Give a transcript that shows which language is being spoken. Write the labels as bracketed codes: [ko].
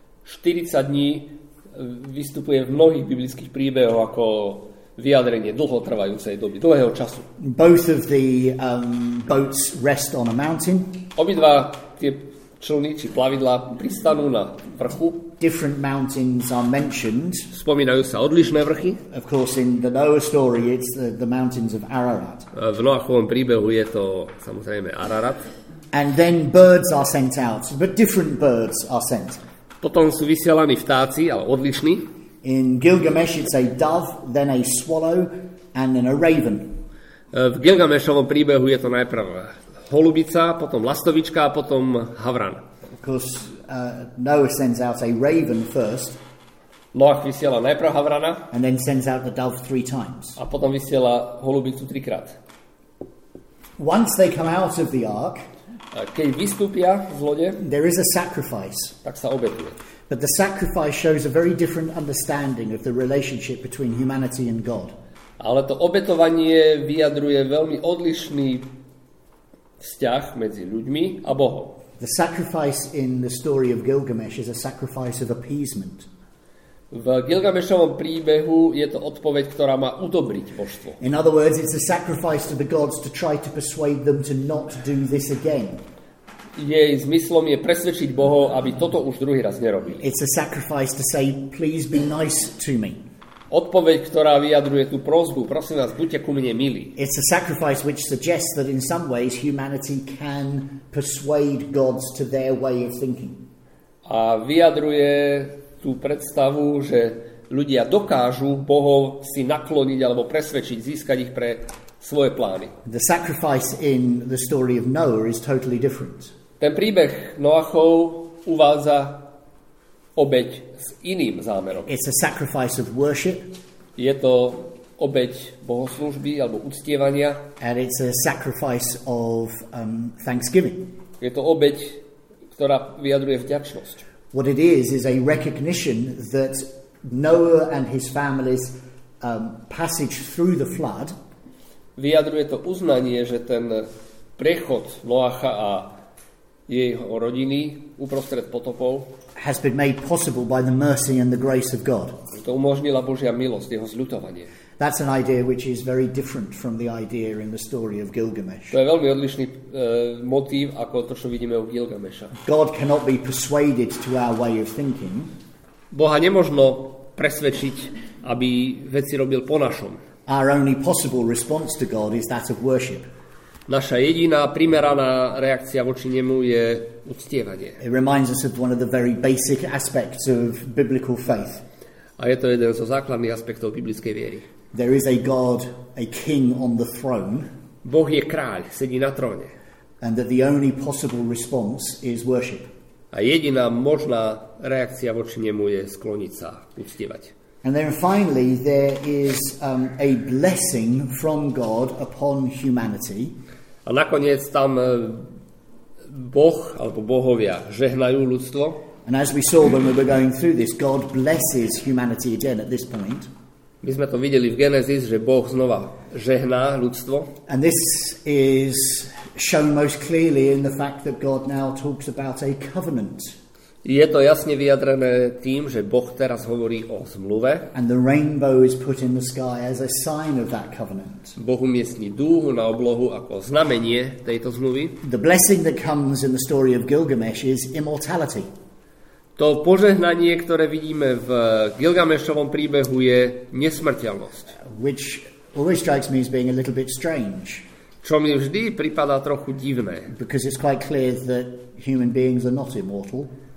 [sk] 40 dní vystupuje v mnohých biblických príbehoch ako vyjadrenie dlhotrvajúcej doby, dlhého času. [en] Both of the boats rest on a mountain. [sk] Obidva tie člny či plavidla pristanú na vrchu. [en] Different mountains are mentioned. [sk] Spomínajú sa odlišné vrchy. [en] Of course, in the Noah story, it's the mountains of Ararat. [sk] V Noachovom príbehu je to samozrejme Ararat. [en] And then birds are sent out, but different birds are sent. [sk] Potom sú vysielaní vtáci, ale odlišní. [en] In Gilgamesh, it's a dove, then a swallow, and then a raven. [sk] V Gilgamešovom príbehu je to najprv holubica, potom lastovička, potom havran. [en] Because Noah sends out a raven first. [sk] Noah vysiela najprv havrana. [en] And then sends out the dove three times. [sk] A potom vysiela holubicu trikrát. [en] Once they come out of the ark, [sk] keď vystúpia z lode, [en] there is a sacrifice. [sk] Tak sa obetuje. [en] But the sacrifice shows a very different understanding of the relationship between humanity and God. [sk] Ale to obetovanie vyjadruje veľmi odlišný vzťah medzi ľuďmi a Bohom. [en] The sacrifice in the story of Gilgamesh is a sacrifice of appeasement. [sk] V Gilgamešovom príbehu je to odpoveď, ktorá má udobriť božstvo. [en] In other words, it's a sacrifice to the gods to try to persuade them to not do this again. [sk] Jej zmyslom je presvedčiť bohov, aby toto už druhý raz nerobili. [en] It's a sacrifice to say, please be nice to me. [sk] Odpoveď, ktorá vyjadruje tú prosbu, prosím vás, buďte ku mne milí. [en] It's a sacrifice which suggests that in some ways humanity can persuade gods to their way of thinking. [sk] A vyjadruje tú predstavu, že ľudia dokážu bohov si nakloniť alebo presvedčiť, získať ich pre svoje plány. [en] The sacrifice in the story of Noah is totally different. [sk] Ten príbeh Noachov uvádza obeť s iným zámerom. [en] It's a sacrifice of worship. [sk] Je to obeť bohoslúžby alebo uctievania. [en] And it's a sacrifice of thanksgiving. [sk] Je to obeť, ktorá vyjadruje vďačnosť. [en] What it is a recognition that Noah and his family's passage through the flood. [sk] Vyjadruje to uznanie, že ten prechod Noacha a jeho rodiny uprostred potopov [en] has been made possible by the mercy and the grace of God. [sk] To umožnila Božia milosť, jeho zľutovanie. [en] That's an idea which is very different from the idea in the story of Gilgamesh. [sk] To je veľmi odlišný motív ako to, čo vidíme u Gilgameša. [en] God cannot be persuaded to our way of thinking. [sk] Boha nemožno presvedčiť, aby veci robil po našom. [en] Our only possible response to God is that of worship. [sk] Naša jediná primeraná reakcia voči nemu je uctievanie. [en] It reminds us of one of the very basic aspects of biblical faith. [sk] A je to jeden zo základných aspektov biblickej viery. [en] There is a God, a king on the throne. [sk] Boh je kráľ, sedí na tróne. [en] And that the only possible response is worship. [sk] A jediná možná reakcia voči nemu je skloniť sa, uctievať. [en] And then finally there is a blessing from God upon humanity. [sk] A nakoniec tam Boh alebo bohovia žehnajú ľudstvo. [en] And as we saw when we were going through this, God blesses humanity again at this point. [sk] My sme to videli v Genesis, že Boh znova žehná ľudstvo. [en] And this is shown most clearly in the fact that God now talks about a covenant. [sk] Je to jasne vyjadrené tým, že Boh teraz hovorí o zmluve. [en] And the rainbow is put in the sky as a sign of that covenant. [sk] Boh umiestni dúhu na oblohu ako znamenie tejto zmluvy. [en] The blessing that comes in the story of Gilgamesh is immortality. [sk] To požehnanie, ktoré vidíme v Gilgamešovom príbehu, je nesmrteľnosť. [en] Which always strikes me as being a little bit strange. [sk] Čo mi vždy pripadá trochu divné. [en] Because it's quite clear that human beings are not immortal.